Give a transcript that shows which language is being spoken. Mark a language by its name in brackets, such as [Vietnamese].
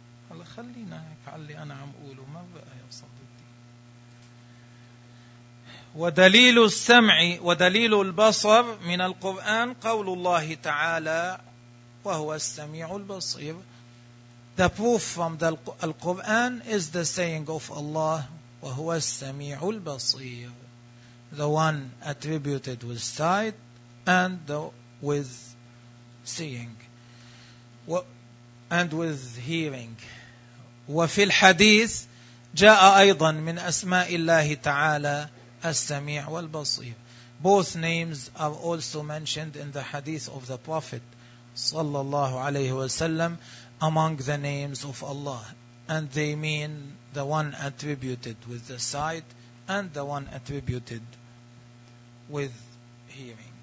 [Arabic] هلا خلينا هيك علي أنا عم أقوله ما بقى يا صديقي. ودليل السمع ودليل البصر من القرآن قول الله تعالى وهو السميع البصير. [English] The proof from the Quran is the saying of Allah, [Arabic] وَهُوَ السَّمِيعُ الْبَصِيرُ, [English] the one attributed with sight and with seeing and with hearing. [Arabic] وفي الحديث جاء أيضا من أسماء الله تعالى السميع والبصير. [English] Both names are also mentioned in the hadith of the Prophet [Arabic] صلى الله عليه وسلم [English] among the names of Allah, and they mean the one attributed with the sight and the one attributed with hearing.